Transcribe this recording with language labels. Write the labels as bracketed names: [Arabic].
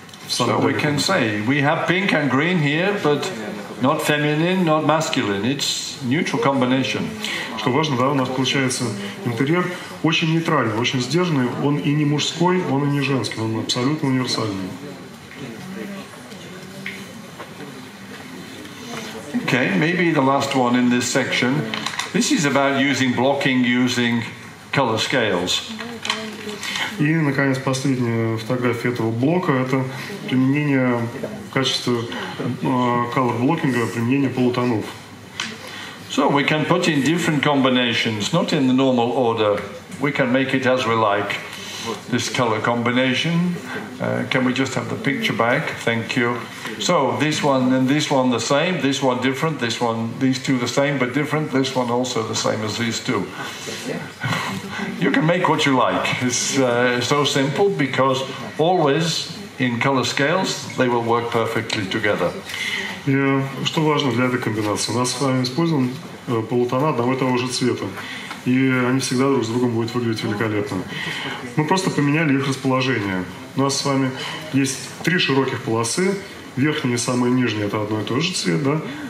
[English] So we can say we have pink and green here, but not feminine, not masculine. It's neutral combination. [Russian] Что важно, да, у нас получается интерьер очень нейтральный, очень сдержанный. Он и не мужской, он и не женский. Он абсолютно универсальный. [English] Okay, maybe the last one in this section. This is about using blocking using color scales. [Russian] И, наконец, последняя фотография этого блока – это применение в качестве color blocking'а, применение полутонов. [English] So we can put in different combinations, not in the normal order. We can make it as we like, this color combination. Can we just have the picture back? Thank you. So this one and this one the same, this one different, this one, these two the same but different, this one also the same as these two. You can make what you like. It's so simple because always in color scales they will work perfectly together. [Russian] Что важно для этой комбинации? У нас с вами использован полутона одного и того же цвета. И они всегда друг с другом будут выглядеть великолепно. Мы просто поменяли их расположение. У нас с вами есть три широких полосы. Верхняя и самая нижняя – это одно и то же цвет, да?